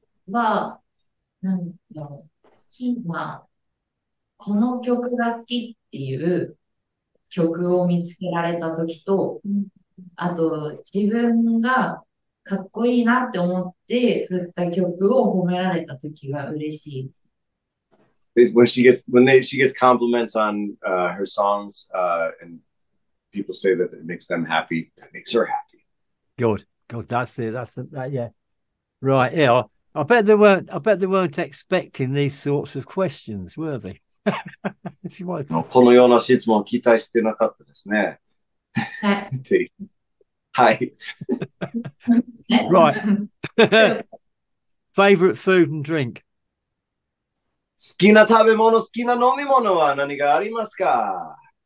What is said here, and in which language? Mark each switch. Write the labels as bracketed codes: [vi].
[ja] は、なんだろう、好きな、この曲が好きっていう曲を見つけられた時と、あと自分がかっこいいなって思って作った曲を褒められた時が嬉しいです。 [en] When she gets compliments on her songs, and people say that it makes them happy, that makes her happy. Good, that's it, yeah. Right, yeah. I bet they weren't expecting these sorts of questions, were they? If you want to... [ja] このような質問を期待してなかったですね。はい。 [en] Right. Favorite food and drink? [ja] 好きな食べ物、好きな飲み物は何がありますか？